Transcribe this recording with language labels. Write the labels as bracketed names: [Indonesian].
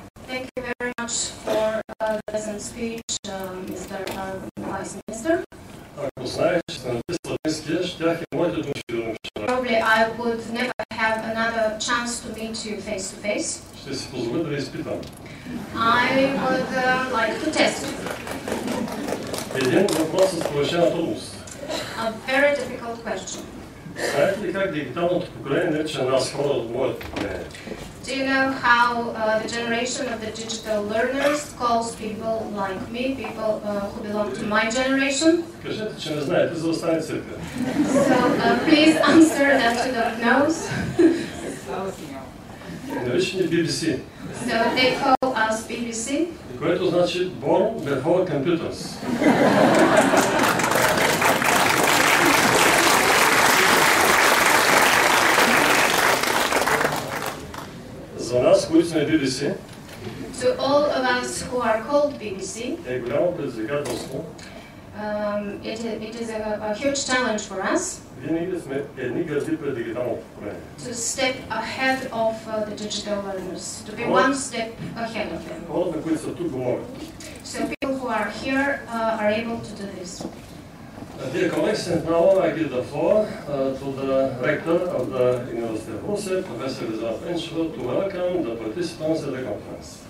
[English] Thank you very much for a pleasant speech, Mr. Vice Minister. [Bulgarian] Ако знаех, че сте написал мисли, щях и моите думи да напиша. [English] Probably I would never have another chance to meet you face to face. [Bulgarian] Ще си позволя да ви изпитам. [English] I would like to test. [Bulgarian] Един въпрос с повишена трудност. [English] A very difficult question. [Bulgarian] Знаете ли как дигиталното поколение нарича нас хора от моето поколение? [English] Do you know how the generation of the digital learners calls people like me, people who belong to my generation? [Bulgarian] Кажете, че не знаете, за да остане църква. [English] So, please answer that you don't know. [Bulgarian] Нарича ни BBC. [English] So, they call us BBC. [Bulgarian] Което значи [English] Born Before Computers. [Bulgarian] За нас, които сме BBC, [English] so all of us who are called BBC, [Bulgarian] е голямо предизвикателство. [English] It is a huge challenge for us. [Bulgarian] Винаги да сме едни гърди пред дигиталното поколение. [English] To step ahead of the digital learners. To be one step ahead of them. [Bulgarian] Хората, които са тук, го могат. [English] So people who are here are able to do this. Dear colleagues, and now I give the floor to the rector of the University of Ruse, Professor Lizard Penchel, to welcome the participants at the conference.